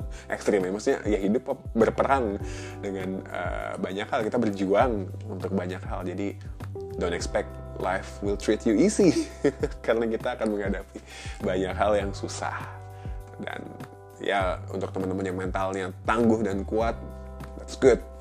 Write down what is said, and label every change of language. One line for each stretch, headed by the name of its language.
Indonesian: Ekstrim ya, maksudnya ya hidup berperang dengan banyak hal. Kita berjuang untuk banyak hal. Jadi,
English: don't expect life will treat you easy.
Indonesian: Karena kita akan menghadapi banyak hal yang susah. Dan ya, untuk teman-teman yang mentalnya tangguh dan kuat,
English: that's good.